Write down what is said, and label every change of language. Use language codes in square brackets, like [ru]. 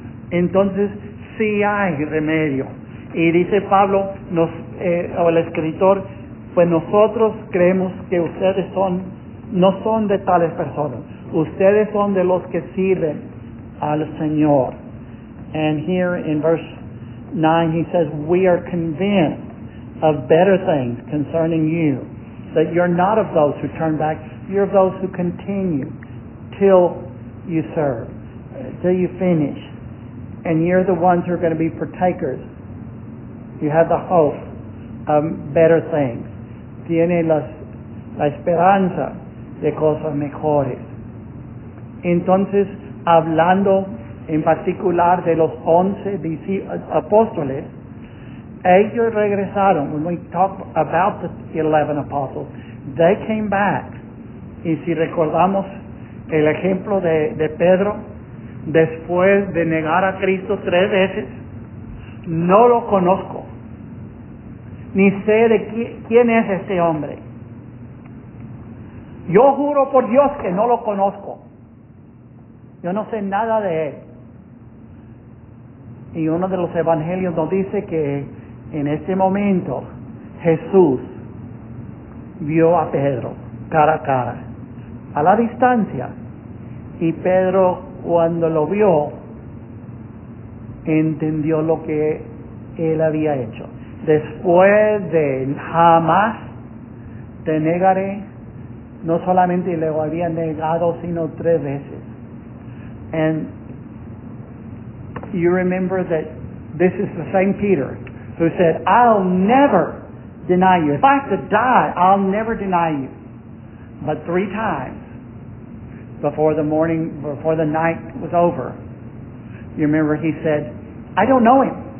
[es] Entonces, sí hay remedio. Y dice Pablo, o el escritor, pues nosotros creemos que ustedes son, no son de tales personas. Ustedes son de los que sirven al Señor. [en] And here in verse 9 he says, we are convinced of better things concerning you, that you're not of those who turn back, you're of those who continue till you serve, till you finish. And you're the ones who are going to be partakers. You have the hope of better things. [es] Tiene la esperanza de cosas mejores. Entonces, hablando en particular de los 11 apóstoles, ellos regresaron. [en] When we talk about the 11 apostles, they came back. [es] Y si recordamos el ejemplo de Pedro, después de negar a Cristo 3 veces, no lo conozco. Ni sé de quién es este hombre. Yo juro por Dios que no lo conozco. Yo no sé nada de él. Y uno de los evangelios nos dice que en este momento Jesús vio a Pedro cara a cara, a la distancia. Y Pedro, cuando lo vio, entendió lo que él había hecho. Después de jamás te negaré, no solamente le había negado, sino 3 veces. [en] And you remember that this is the same Peter who said, I'll never deny you. If I have to die, I'll never deny you. But 3 times before the night was over, you remember he said, I don't know him.